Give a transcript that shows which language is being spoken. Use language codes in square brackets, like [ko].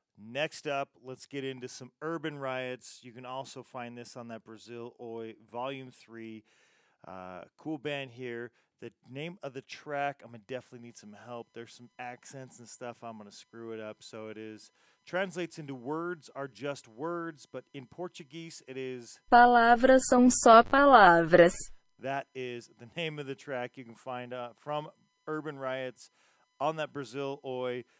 [en] Next up, let's get into some Urban Riots. You can also find this on that Brazil Oi Volume 3. Cool band here. The name of the track, I'm going to definitely need some help. There's some accents and stuff. I'm going to screw it up. So it is, translates into words are just words, but in Portuguese it is... [pt] Palavras são só palavras. [en] That is the name of the track. You can find from Urban Riots on that Brazil Oi.